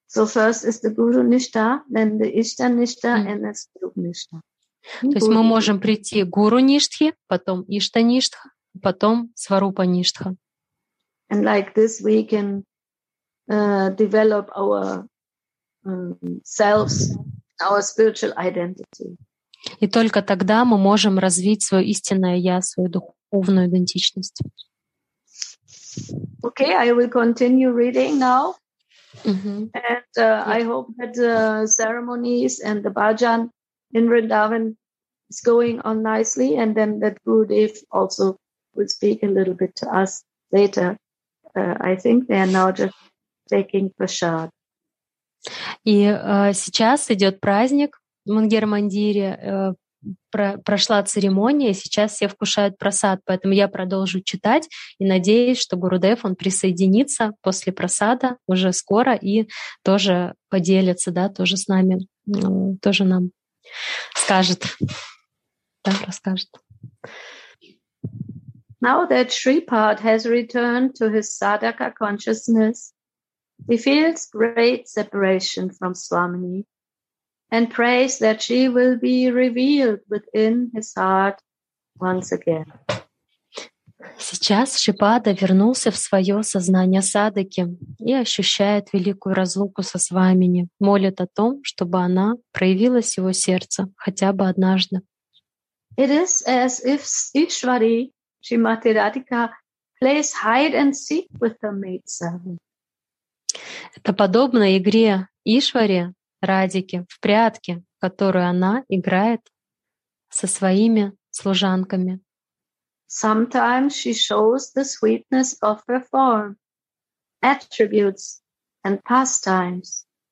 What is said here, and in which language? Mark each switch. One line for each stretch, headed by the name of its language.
English: So first is the guru nishtha, then the ishta nishtha, and the sruk nishtha.
Russian: То есть мы можем прийти к гуру ништхи, потом ишта ништха, потом сварупа ништха.
English: And like this we can develop our selves, our spiritual identity.
Russian: И только тогда мы можем развить свое истинное я, свою духовную идентичность.
English: Okay, I will continue reading now. Mm-hmm. And I hope that the ceremonies and the bhajan in Vrindavan is going on nicely, and then that Gurudev also will speak a little bit to us later. I think they are now just taking prasad.
Russian: И сейчас идет праздник. В Мангер-Мандире прошла церемония, сейчас все вкушают просад, поэтому я продолжу читать и надеюсь, что Гурудев, он присоединится после просада уже скоро и тоже поделится, да, тоже с нами, тоже нам скажет, да, расскажет.
English: Now that Shripad has returned to his sadhaka consciousness, he feels great separation from Swamini. And prays that she will be revealed within his heart once again.
Russian: Сейчас Шипада вернулся в свое сознание садаки и ощущает великую разлуку со Свамини. Молит о том, чтобы она проявилась в его сердце хотя бы однажды.
English: It is as if Ishvari, Shrimati Radhika, plays hide and seek with her maidservant.
Russian: Это подобно игре Ишвари, Радике, в прятки, которую она играет со своими служанками.
English: Sometimes she shows the sweetness of her form, attributes and pastimes.